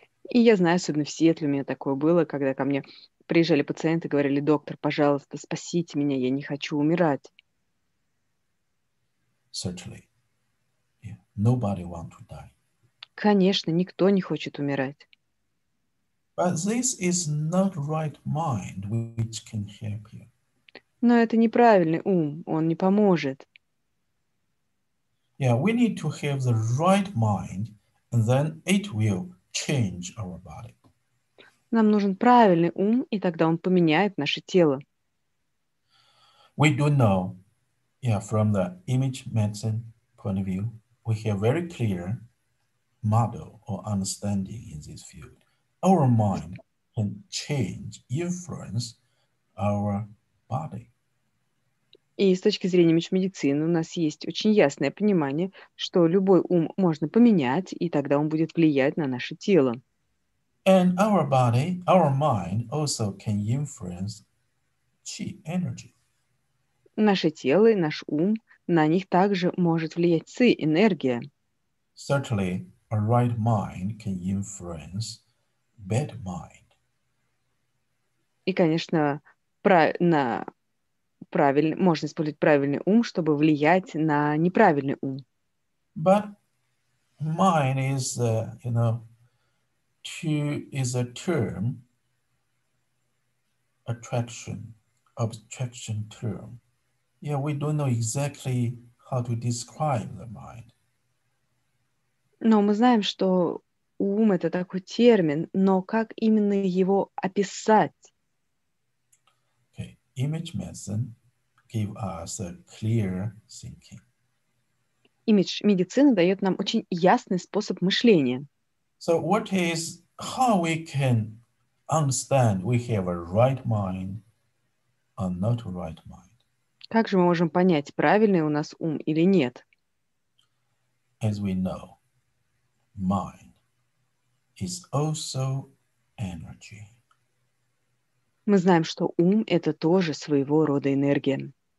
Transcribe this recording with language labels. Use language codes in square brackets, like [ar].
[ru] И я знаю, особенно в Сиэтле у меня такое было, когда ко мне приезжали пациенты и говорили, доктор, пожалуйста, спасите меня, я не хочу умирать. [en] Certainly. Yeah. Nobody wants to die. [ru] Конечно, никто не хочет умирать. [en] But this is not right mind which can help you. [ru] Но это неправильный ум, он не поможет. [en] Yeah, we need to have the right mind, and then it will change our body. [ru] Нам нужен правильный ум, и тогда он поменяет наше тело. [en] We do know, yeah, from the image medicine point of view, we have very clear model or understanding in this field. Our mind can change, influence our body. [ru] И с точки зрения медицины у нас есть очень ясное понимание, что любой ум можно поменять, и тогда он будет влиять на наше тело. [en] And our body, our mind also can influence qi energy. [ru] Наше тело и наш ум, на них также может влиять ци, энергия. [en] Certainly, a right mind can influence bad mind. [ru] И, конечно, можно использовать правильный ум, чтобы влиять на неправильный ум. [en] But mind is, you know, is a term, attraction, obstruction term. Yeah, we don't know exactly how to describe the mind. [ru] Но мы знаем, что ум — это такой термин, но как именно его описать? [en] Okay, image medicine give us a clear thinking. [ru] Image медицина дает нам очень ясный способ мышления. [en] So what is, how we can understand we have a right mind or not a right mind? [ru] Как же мы можем понять, правильный у нас ум или нет? [en] As we know, mind is also energy. [ru] Мы знаем, что ум — это тоже своего рода энергия.